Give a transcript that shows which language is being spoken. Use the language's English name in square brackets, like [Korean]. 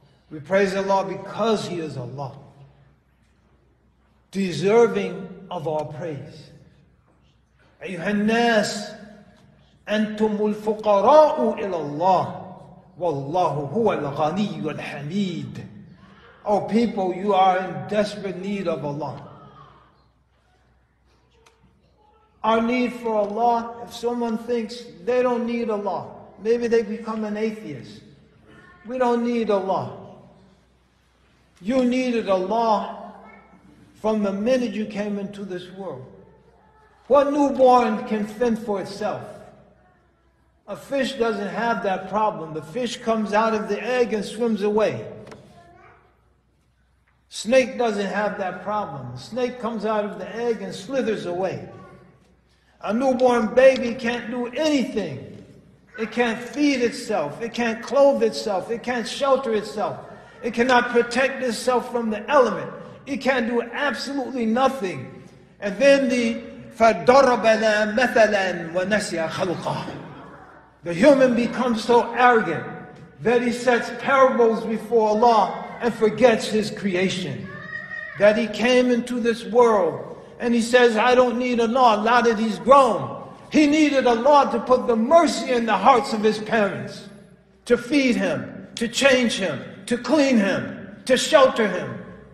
[English] We praise Allah because He is Allah, deserving of our praise. [Arabic] أيها الناس أنتم الفقراء إلى الله والله هو الغني الحميد. [English] Oh people, you are in desperate need of Allah. Our need for Allah, if someone thinks they don't need Allah, maybe they become an atheist. We don't need Allah. You needed Allah from the minute you came into this world. What newborn can fend for itself? A fish doesn't have that problem. The fish comes out of the egg and swims away. Snake doesn't have that problem. The snake comes out of the egg and slithers away. A newborn baby can't do anything. It can't feed itself. It can't clothe itself. It can't shelter itself. It cannot protect itself from the element. It can't do absolutely nothing. And then the [Arabic] فَدَرَّبَنَا مَثَلًا وَنَسِيَ خَلْقًا. [English] The human becomes so arrogant that he sets parables before Allah and forgets his creation. That he came into this world and he says, I don't need Allah, now that he's grown. He needed Allah to put the mercy in the hearts of his parents, to feed him, to change him, to clean him. to shelter him.